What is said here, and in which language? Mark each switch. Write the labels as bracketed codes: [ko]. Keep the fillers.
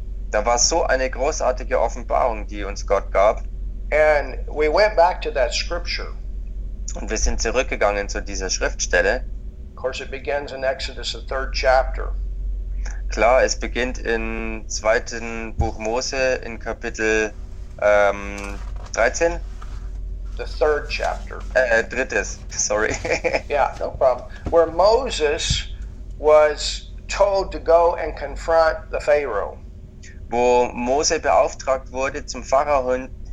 [de] Da war so eine großartige Offenbarung, die uns Gott gab. [en] And we went back to that scripture. [de] Und wir sind zurückgegangen zu dieser Schriftstelle. [en] Of course, it begins in Exodus, the third chapter. [de] Klar, es beginnt in zweiten Buch Mose in Kapitel ähm, 13. [en] The third chapter. Äh, [de] drittes. [en] Sorry. yeah, no problem. Where Moses was told to go and confront the Pharaoh. [de] Wo Mose beauftragt wurde, zum Pharao